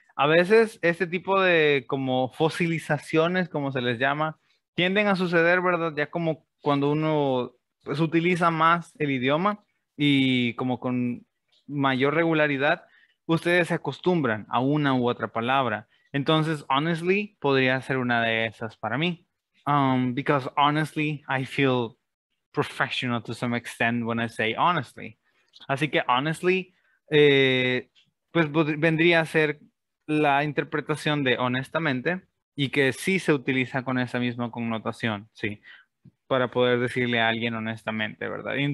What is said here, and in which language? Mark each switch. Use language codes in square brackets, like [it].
[es] A veces este tipo de como fosilizaciones, como se les llama, tienden a suceder, ¿verdad? Ya como cuando uno pues, utiliza más el idioma y como con mayor regularidad, ustedes se acostumbran a una u otra palabra. Entonces, honestly, podría ser una de esas para mí. [en] Because honestly, I feel professional to some extent when I say honestly. [es] Así que honestly, pues vendría a ser la interpretación de honestamente y que sí se utiliza con esa misma connotación, sí, para poder decirle a alguien honestamente, ¿verdad?